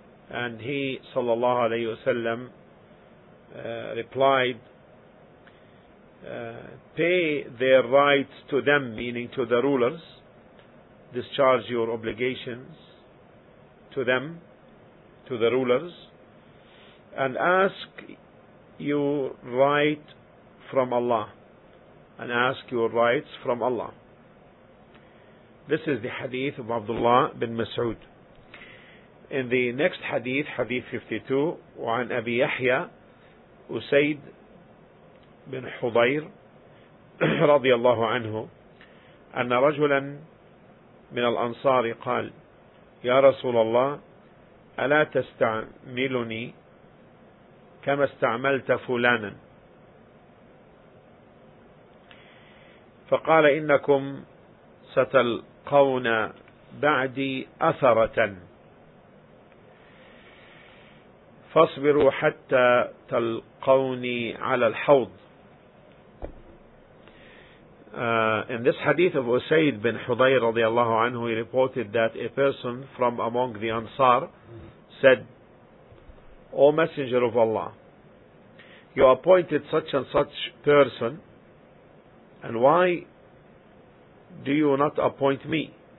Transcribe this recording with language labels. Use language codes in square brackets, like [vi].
[en] And he, sallallahu alayhi wasallam, replied, pay their rights to them, meaning to the rulers, discharge your obligations to them, to the rulers, and ask your right from Allah, and ask your rights from Allah. This is the hadith of Abdullah bin Mas'ud. In the next hadith, hadith 52, [ar] وعن أبي يحيى أسيد بن حضير رضي الله عنه أن رجلا من الأنصار قال يا رسول الله ألا تستعملني كما استعملت فلانا؟ فقال إنكم ستلقون بعدي أثرة فاصبروا حتى تلقوني على الحوض. [en] In this hadith of Usayd bin Hudayr رضي الله عنه, he reported that a person from among the Ansar said, O Messenger of Allah, you appointed such and such person, and why do you not appoint me?